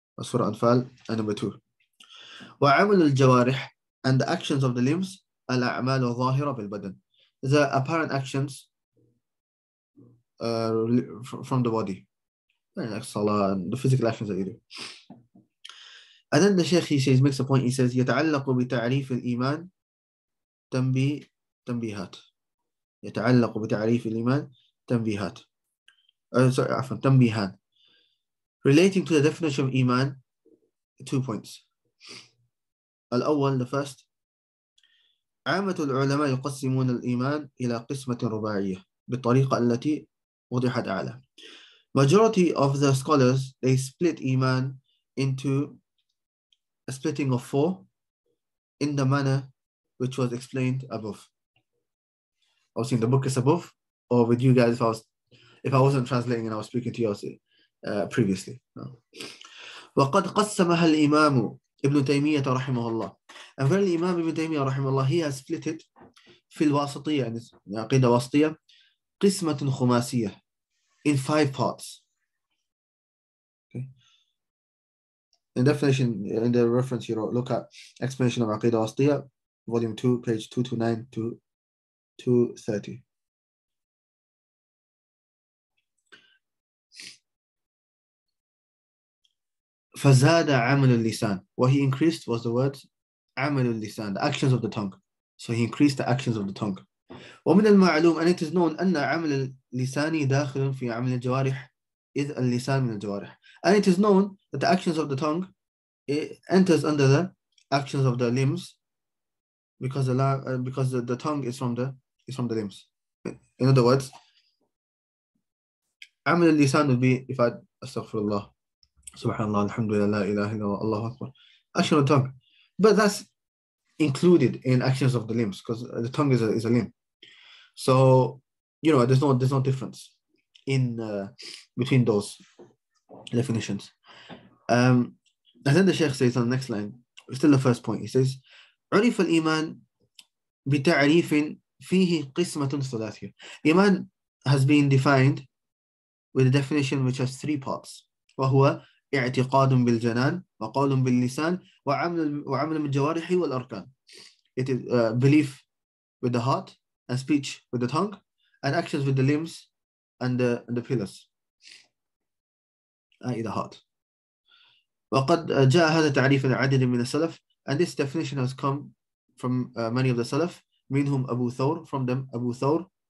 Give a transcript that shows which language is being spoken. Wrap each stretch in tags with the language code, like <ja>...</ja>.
<en>Surah Anfal, number 2.</en> <ar>وَعَمَلُ الْجَوَارِحِ</ar> <en>And the actions of the limbs,</en> <ar>الْأَعْمَالُ ظَاهِرَ بِالْبَدَنِ</ar> <en>The apparent actions from the body, like salah and the physical actions that you do. And then the Sheikh he says makes a point. He says,</en> <ar>"يتعلق بتعريف الإيمان تنبيهات." يتعلق بتعريف الإيمان تنبيهات. تنبيهان.</ar> <en>Relating to the definition of iman, two points.</en> <ar>الأول,</ar> <en>the first.</en> <ar>عامة العلماء يقسمون الإيمان إلى قسمة رباعية بالطريقة التي وضحت أعلى.</ar> <en>Majority of the scholars they split إيمان into a splitting of four in the manner which was explained above. Obviously, the book is above, or with you guys if I wasn't translating and I was speaking to you previously.</en> <ar>وقد قسمها الإمام ابن تيمية رحمه الله.</ar> <en>And verily, Imam Ibn Taymiyyah rahimahullah, he has split it</en> <ar>في الواسطية,</ar> <en>in his عقيدة واسطية,</en> <ar>قسمة خماسية,</ar> <en>in five parts. Okay. In definition, in the reference you wrote, look at explanation of عقيدة واسطية, volume 2, page 229 to 230.</en> <ar>فزاد عمل اللسان.</ar> <en>What he increased was the words</en> <ar>عمل اللسان,</ar> <en>the actions of the tongue. So he increased the actions of the tongue.</en> <ar>ومن المعلوم,</ar> <en>and it is known,</en> <ar>أن عمل اللسان داخل في عمل الجوارح, إذ اللسان من الجوارح.</ar> <en>And it is known that the actions of the tongue, it enters under the actions of the limbs, because the tongue is from the limbs. In other words, عمل اللسان would be, if I,</en> <ar>أستغفر الله, سبحان الله, الحمد لله, لا إله إلا الله أكبر,</ar> <en>action of the tongue. But that's included in actions of the limbs because the tongue is a limb. So, you know, there's no difference in between those definitions. And then the Sheikh says on the next line, still the first point, he says,</en> <ar>عُرِفَ الْإِيمَانِ بِتَعْرِيفٍ فِيهِ قِسْمَةٌ ثَلَاثِيَةٌ</ar> <en>Iman has been defined with a definition which has three parts.</en> <ar>وَهُوَ اعتقاد بالجنان وقول باللسان وعمل بالجوارح والأركان.</ar> <en>It is belief with the heart and speech with the tongue and actions with the limbs and the pillars.</en> <ar>إضاحات. وقد جاء هذا التعريف لعدد من السلف,</ar> <en>and this definition has come from many of the Salaf, منهم أبو ثور, from them</en> <ar>أبو ثور.</ar>